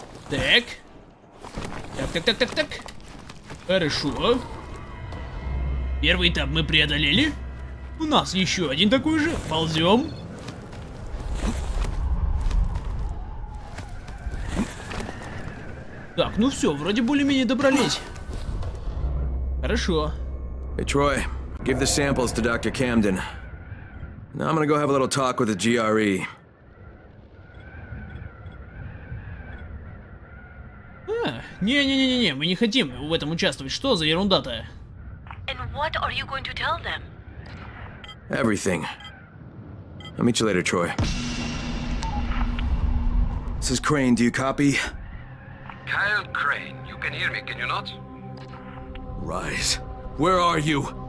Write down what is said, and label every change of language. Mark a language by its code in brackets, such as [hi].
[ru] Так. Так. Хорошо. Первый этап мы преодолели. У нас еще один такой же. Ползем. Так, ну все, вроде более-менее добрались. Хорошо. [en] Hey, Troy, give the samples to Dr. Camden. Now I'm gonna go have a little talk with the GRE. [ru] Не-не-не-не, мы не хотим в этом участвовать. Что за ерунда-то? [en] And what are you going to tell them? Everything. I'll meet you later, Troy. This is Crane, do you copy? Kyle Crane, you can hear me, can you not? Rise. Where are you?